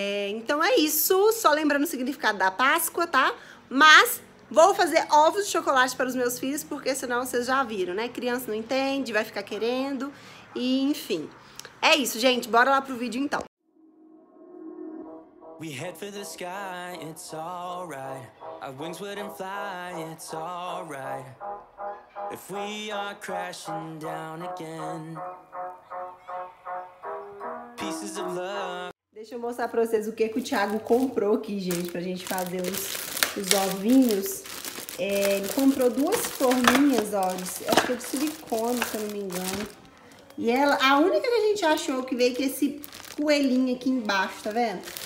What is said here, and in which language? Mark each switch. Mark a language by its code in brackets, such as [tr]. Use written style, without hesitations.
[pt] Então é isso, só lembrando o significado da Páscoa, tá? Mas vou fazer ovos de chocolate para os meus filhos, porque senão vocês já viram, né? Criança não entende, vai ficar querendo. E enfim. É isso, gente, bora lá pro vídeo então. [en] We head for the sky, it's all right. Our wings wouldn't fly, it's all right. If we are crashing down again, pieces of love. [pt] Deixa eu mostrar pra vocês o que o Thiago comprou aqui, gente, pra gente fazer os ovinhos. Ele comprou duas forminhas, ó, acho que é de silicone, se eu não me engano. E ela, a única que a gente achou que veio que esse coelhinho aqui embaixo, tá vendo?